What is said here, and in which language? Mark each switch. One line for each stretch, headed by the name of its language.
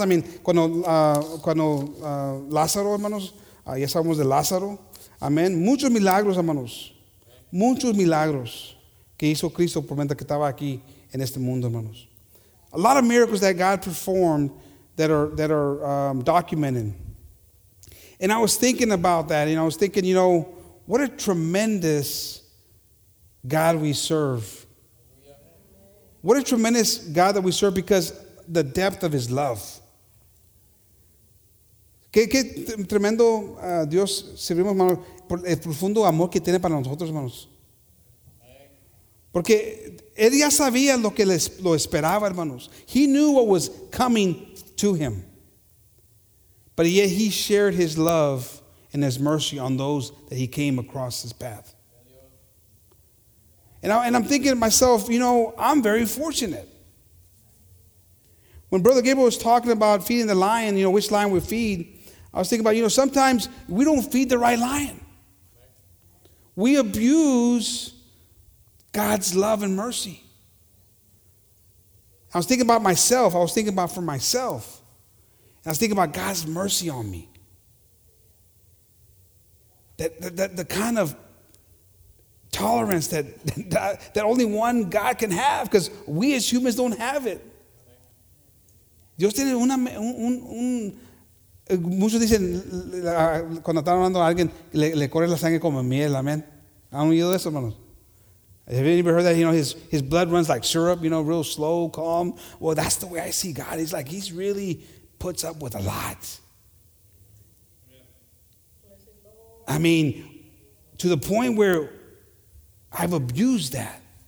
Spanish: I mean, cuando Lázaro, hermanos, ya sabemos de Lázaro. Amen. Muchos milagros, hermanos. Muchos milagros que hizo Cristo por mientras que estaba aquí en este mundo, hermanos.
English: A lot of miracles that God performed that are documented. And I was thinking about that. And I was thinking, you know, what a tremendous God we serve. What a tremendous God that we serve because the depth of his love.
Spanish: Qué tremendo Dios servimos, hermano, por el profundo amor que tiene para nosotros, hermanos. Porque él ya sabía lo que lo esperaba, hermanos.
English: He knew what was coming to him. But yet he shared his love and his mercy on those that he came across his path. And I'm thinking to myself, you know, I'm very fortunate. When Brother Gabriel was talking about feeding the lion, you know, which lion we feed, I was thinking about, you know, sometimes we don't feed the right lion. We abuse God's love and mercy. I was thinking about myself. I was thinking about for myself. And I was thinking about God's mercy on me. That the kind of tolerance that only one God can have, because we as humans don't have it.
Spanish: Dios tiene un muchos dicen cuando están hablando a alguien le corre la sangre como miel, amen. ¿Han oído eso, hermanos?
English: Have you ever heard that? You know, his blood runs like syrup, you know, real slow, calm. Well, that's the way I see God. He's like, he's really puts up with a lot. I mean, to the point where I've abused that.